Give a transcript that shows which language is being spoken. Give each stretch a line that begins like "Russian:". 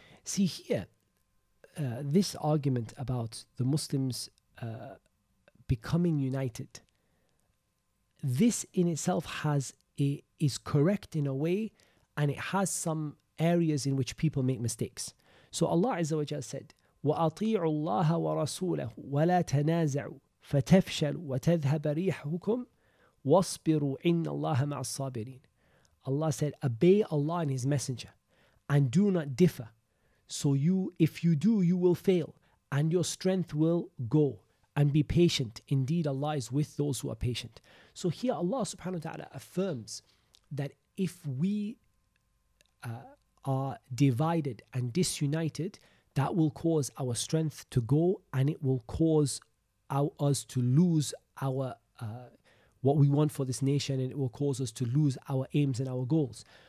English: See here, this argument about the Muslims becoming united, this in itself is correct in a way, and it has some areas in which people make mistakes. So Allah Azza wa Jalla said,
Arabic: وَأَطِيعُ اللَّهَ وَرَسُولَهُ وَلَا تَنَازَعُوا فَتَفْشَلُوا وَتَذْهَبَ رِيحُكُمْ وَاصْبِرُوا إِنَّ اللَّهَ مَعَ الصَّابِرِينَ.
English: Allah said, obey Allah and His Messenger and do not differ. So you, if you do, you will fail and your strength will go, and be patient. Indeed, Allah is with those who are patient. So here Allah subhanahu wa ta'ala affirms that if we are divided and disunited, that will cause our strength to go and it will cause us to lose our what we want for this nation, and it will cause us to lose our aims and our goals.